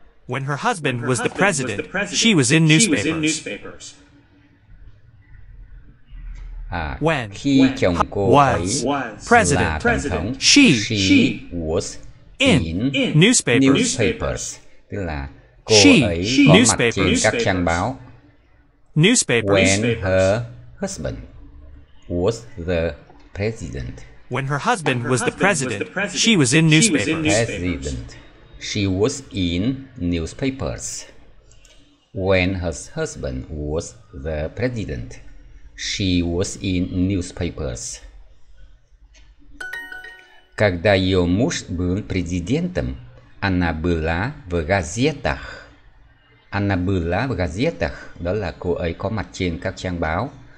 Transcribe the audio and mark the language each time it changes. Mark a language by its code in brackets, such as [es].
[en] When her husband was the president, she was in newspapers. [vi] When khi chồng cô [en] was president, she was in newspapers. [vi] Tức là cô ấy có mặt trên các trang báo. [en] When her husband was the president. When her husband was the president, she was in newspapers. President. She was in newspapers. When her husband was the president, she was in newspapers. [ru] Когда её муж был президентом, она была в газетах. Она была в газетах, [vi] đó là cô ấy có mặt trên các trang báo.